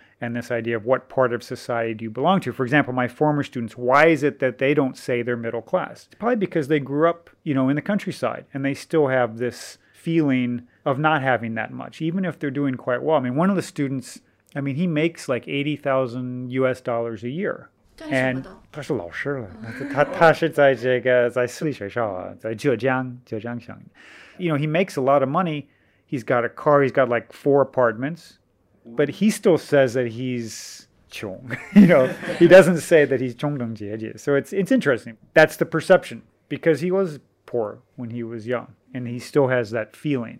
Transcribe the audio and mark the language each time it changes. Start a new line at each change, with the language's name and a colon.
English: And this idea of what part of society do you belong to? For example, my former students, why is it that they don't say they're middle class? It's probably because they grew up, you know, in the countryside, and they still have this feeling of not having that much, even if they're doing quite well. I mean, one of the students, I mean, he makes like $80,000 a year.
Chinese: And 他是老师了,他是在这个在私立学校啊,在浙江,浙江省.
English: You know, he makes a lot of money. He's got a car. He's got like 4 apartments. But he still says that he's 穷.You know, he doesn't say that he's
Chinese: 穷等阶级.
English: So it's interesting. That's the perception, because he was poor when he was young, and he still has that feeling.